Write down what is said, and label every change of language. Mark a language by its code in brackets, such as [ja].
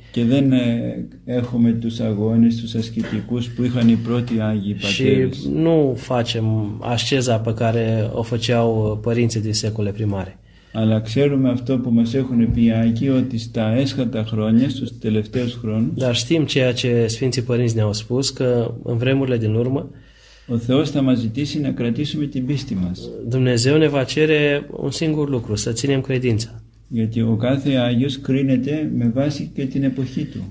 [el] Και δεν έχουμε τους αγώνες, τους ασκητικούς που είχαν οι πρώτοι Άγιοι Πατέρες. [ro] Și nu facem asceza pe care o făceau părinții din secole primare. [el] Αλλά ξέρουμε αυτό που μας έχουν πει Άγιοι, ότι στα έσχατα χρόνια, στους τελευταίους χρόνους. [ro] Dar știm ceea ce Sfinții Părinți ne-au spus, că în vremurile din urmă, [el] ο Θεός θα μας ζητήσει να κρατήσουμε την πίστη μας. [ro] Dumnezeu ne va cere un singur lucru, să ținem credința. [el] Γιατί ο κάθε Άγιος κρίνεται με βάση και την εποχή του.